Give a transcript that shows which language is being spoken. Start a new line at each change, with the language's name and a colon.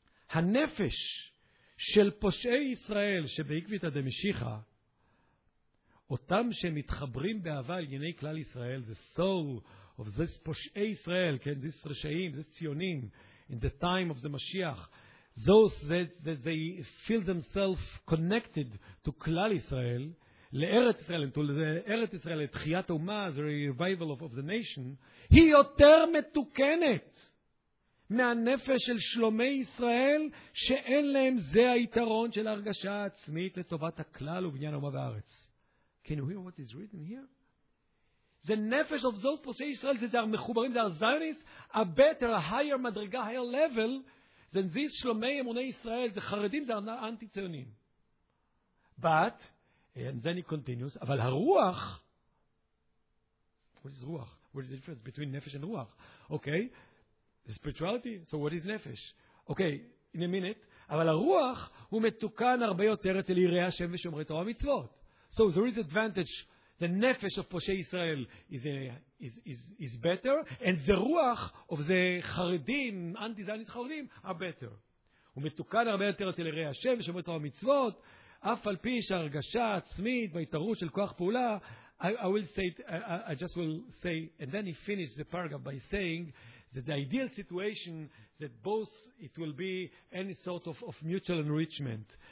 Hebrew: הנפש של פושעי ישראל שבעקבית הדמשיכה, אותם שמתחברים באהבה על ייני כלל ישראל,
English: the soul of this
Hebrew: פושעי ישראל, כן, this רשעים, this ציונים,
English: in the time of the
Hebrew: משיח,
English: those that they feel themselves connected to
Hebrew: כלל ישראל, לארץ ישראל, to ארץ ישראל, לתחיית אומה,
English: the revival of the nation,
Hebrew: היא יותר מתוקנת. מהנפש של שלומי ישראל שאין להם זה היתרון של הרגשה עצמית לטובת הכלל ובניין אומה וארץ.
English: Can you hear what is written here? The nefesh of those poshei Yisrael that are mechubarim, they are Zionists, are better, a higher madriga, higher level than these
Hebrew: shlomei emunei Yisrael,
English: the charedim, they are not anti-Zionim. But, and then he continues,
Hebrew: אבל הרוח,
English: what is ruach? What is the difference between nefesh and ruach? Okay, the spirituality, so what is nefesh? Okay, in a minute,
Hebrew: אבל הרוח הוא מתוקן הרבה יותר אצל יראי השם ושומרי תורה ומצוות.
English: So there is advantage. The nefesh of poshei Yisrael is better, and the ruach of the charedim, anti-Zionist charedim, are better.
Hebrew: הוא מתוקן הרבה יותר אצל יראי השם ושומרי תורה ומצוות, אף על פי שהרגשה עצמית והיתרות של כוח פעולה.
English: I just will say, and then he finished the paragraph by saying that the ideal situation that both it will be any sort of mutual enrichment.